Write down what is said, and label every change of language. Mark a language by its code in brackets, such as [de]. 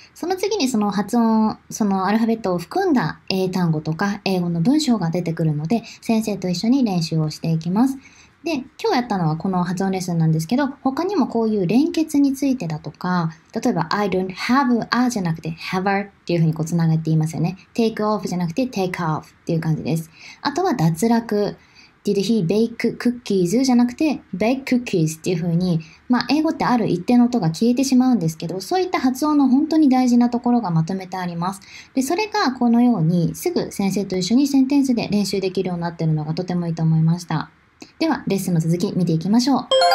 [ja] その次にその発音、そのアルファベットを含んだ英単語とか英語の文章が出てくるので先生と一緒に練習をしていきます。で、今日やったのはこの発音レッスンなんですけど、他にもこういう連結についてだとか、例えば [en] I don't have a [ja] じゃなくて have a っていうふうにこうつながっていますよね。 take off じゃなくて take off っていう感じです。あとは脱落、 [en] Did he bake cookies? [ja] じゃなくて bake cookies っていう風に、まあ、英語ってある一定の音が消えてしまうんですけど、そういった発音の本当に大事なところがまとめてあります。で、それがこのようにすぐ先生と一緒にセンテンスで練習できるようになっているのがとてもいいと思いました。では、レッスンの続き見ていきましょう。